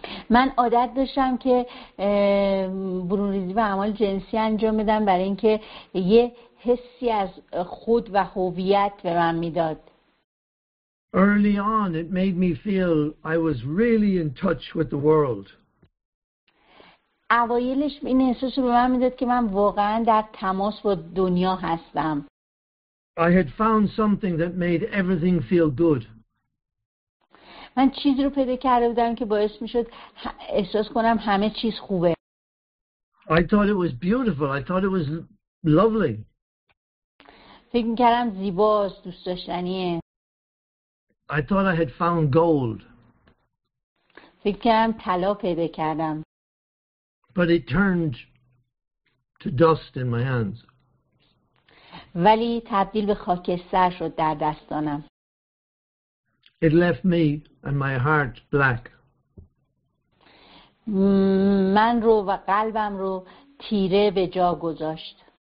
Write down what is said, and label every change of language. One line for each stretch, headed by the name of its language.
Persian: من عادت داشتم که برون ریزی و اعمال جنسی انجام میدم برای اینکه یه حسی از خود و هویت به من میداد.
English: Early on it made me feel I was really in touch with the world.
Persian: اوایلش این احساس رو به من میداد که من واقعا در تماس با دنیا هستم.
English: I had found something that made everything feel good.
Persian: من چیزی رو پیدا کرده بودم که باعث میشد احساس کنم همه چیز خوبه.
English: I thought it was beautiful. I thought it was lovely.
Persian: فکر میکردم زیباست، دوست داشتنیه.
English: I thought I had found gold.
Persian: فکر کردم طلا پیدا کردم.
English: But it turned to dust in my hands.
Persian: ولی تبدیل به خاکستر شد در دستانم.
English: It left me and my heart black.
Persian: من رو و قلبم رو تیره به جا گذاشت.